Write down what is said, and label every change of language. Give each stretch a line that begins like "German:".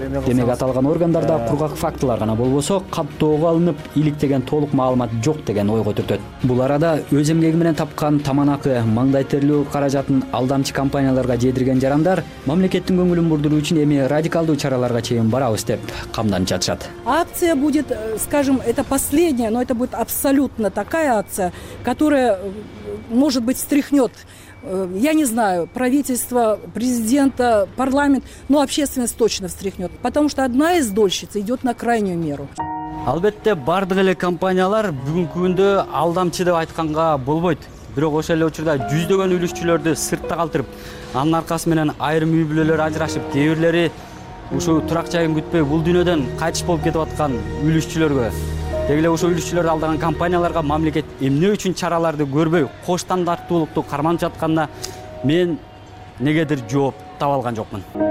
Kyrgyz: Демек аталган органдарда кургак фактылар гана болбосо, каптоого алынып, иликтеген толук маалымат жок деген ой көтөртөт. Бул арада өз эмгеги менен тапкан таманакы, маңдай терлөө каражатын алдамчы компанияларга жедирген жарандар мамлекеттин көңүлүн бурдуруу үчүн эми радикалдуу чараларга чейин барабыз деп камданып жатышат.
Russian: Акция будет, скажем, это последняя, но это будет абсолютно такая акция, которая может быть стряхнет, я не знаю, правительство, президента, парламент, но общественность точно встряхнет, потому что одна из дольщиц идет на крайнюю меру.
Kyrgyz: Албетте бардык эле компаниялар бүгүнкү күндө алдамчы деп айтканга болбойт. Бирок ошол эле учурда жүздөгөн үлүшчүлөрдү сыртта калтырып, анын аркасы менен айрым үй бүлөлөр ажырашып, кээ бирлери ушу турак жайын күтпөй бул дүйнөдөн кайтыш болуп кетип аткан үлүшчүлөргө, деги эле ошол үлүшчүлөрдү алдаган компанияларга мамлекет эмне үчүн чараларды көрбөй кош стандарттуулукту карманып жатканына мен негедир жооп таба алган жокмун.